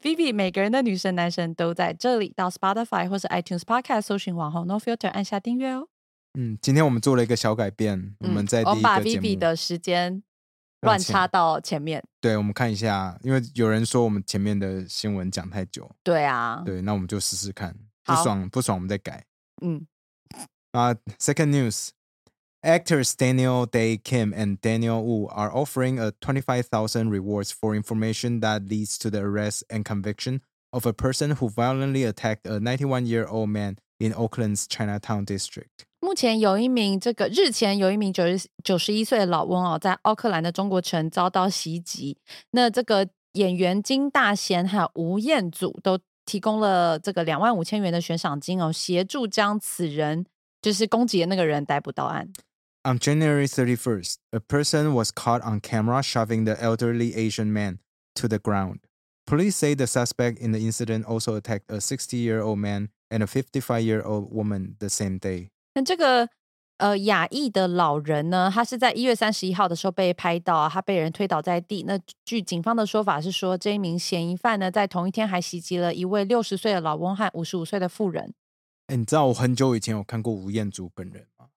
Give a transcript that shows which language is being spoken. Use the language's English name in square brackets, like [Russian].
[Chinese] Vivi 每个人的女神男神都在这里。到 Spotify 或是 iTunes podcast 搜寻《网红 No Filter》，按下订阅哦。嗯，今天我们做了一个小改变，我们在第一个节目我把 Vivi 的时间乱插到前面。对，我们看一下，因为有人说我们前面的新闻讲太久。对啊，对，那我们就试试看，不爽不爽我们再改。嗯 [English] 啊、Second news, actors Daniel Day Kim and Daniel Wu are offering a 25,000 rewards for information that leads to the arrest and conviction of a person who violently attacked a 91-year-old man in Oakland's Chinatown district. [Chinese] 目前有一名这个日前有一名91岁的老翁哦，在奥克兰的中国城遭到袭击。那这个演员金大贤还有吴彦祖都提供了这个25,000元的悬赏金哦，协助将此人就是攻击的那个人逮捕到案。 [English] On January 31st, a person was caught on camera shoving the elderly Asian man to the ground. Police say the suspect in the incident also attacked a 60-year-old man and a 55-year-old woman the same day. [Chinese] 那这个亚裔的老人呢，他是在1月31号的时候被拍到，他被人推倒在地。那据警方的说法是说，这一名嫌疑犯呢在同一天还袭击了一位60岁的老翁和55岁的妇人。欸，你知道我很久以前有看过吴彦祖本人吗？